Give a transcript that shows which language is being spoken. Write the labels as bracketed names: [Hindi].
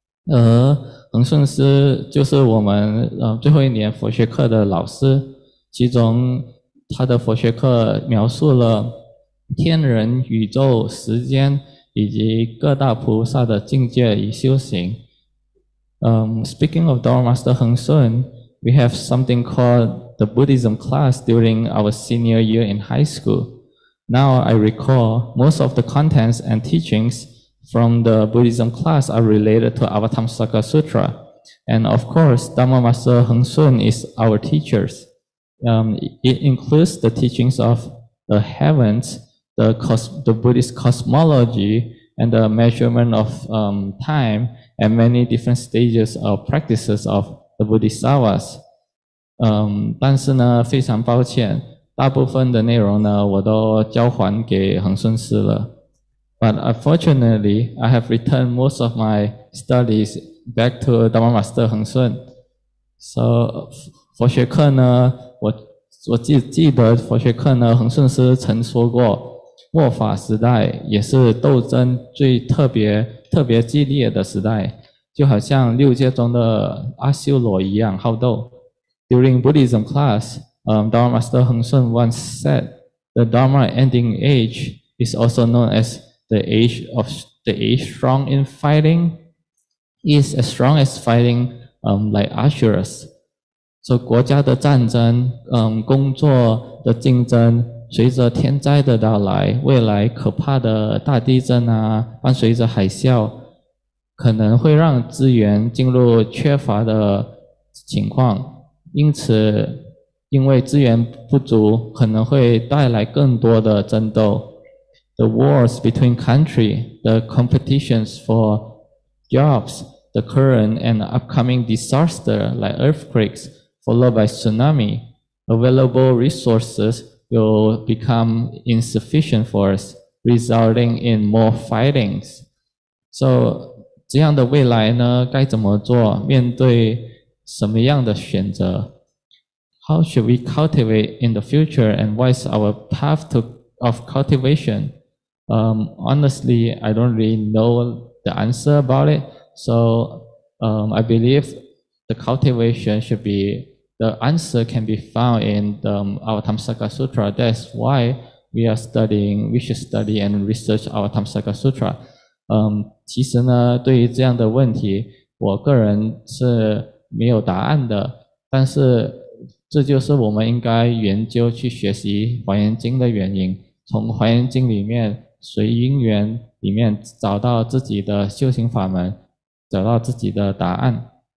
[Chinese] 而恒顺师就是我们最后一年佛学课的老师，其中他的佛学课描述了天人、宇宙、时间以及各大菩萨的境界与修行。 [English] Speaking of Dharma Master Heng Shun, we have something called the Buddhism class during our senior year in high school. Now I recall most of the contents and teachings from the Buddhism class are related to Avatamsaka Sutra. And of course, Dharma Master Heng Shun is our teacher. It includes the teachings of the heavens, the Buddhist cosmology, and the measurement of time, and many different stages or practices of the Bodhisattvas. [Chinese] 但是呢，非常抱歉，大部分的内容呢，我都交还给恒顺师了。 [English] But unfortunately, I have returned most of my studies back to Dharma Master 恒顺。 [Chinese] So, 佛学课呢，我记得佛学课呢，恒顺师曾说过，末法时代也是斗争最特别激烈的时代，就好像六界中的阿修罗一样好斗。 [English] During Buddhism class, Dharma Master Heng Shun once said, "The Dharma ending age is also known as the age of the age strong in fighting. Is as strong as fighting, like Asuras." [Chinese] So, 国家的战争，工作的竞争。随着天灾的到来，未来可怕的大地震啊，伴随着海啸，可能会让资源进入缺乏的情况。因此，因为资源不足，可能会带来更多的争斗。 [English] The wars between countries, the competitions for jobs, the current and upcoming disaster like earthquakes, followed by tsunami, available resources,will become insufficient for us, resulting in more fightings. [Chinese] So, 这样的未来呢，该怎么做？面对什么样的选择？ [English] How should we cultivate in the future, and what is our path of cultivation? Honestly, I don't really know the answer about it. So, I believe the cultivation should be. The answer can be found in the Avatamsaka Sutra. That's why we should study and research Avatamsaka Sutra. [Chinese] 其实呢，对于这样的问题，我个人是没有答案的。但是，这就是我们应该研究去学习《华严经》的原因。从《华严经》里面，随因缘里面找到自己的修行法门，找到自己的答案。